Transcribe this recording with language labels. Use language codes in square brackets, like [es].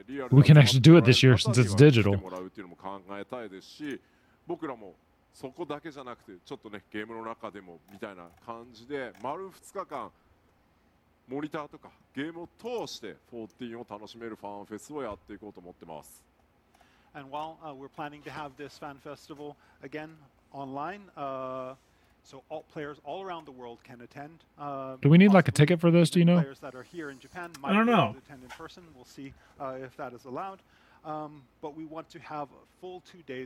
[en] We can actually do it this year since it's digital. [ja] モニターとかゲームを通して14を楽しめるファンフェスをやっていこうと思ってます。 [en] And while we're planning to have this fan festival again online, so all players all around the world can attend. Do we need like a ticket for this, do you know? Players that are here in Japan might be able to attend in person. We'll see if that is allowed. But we want to have a full 2 days.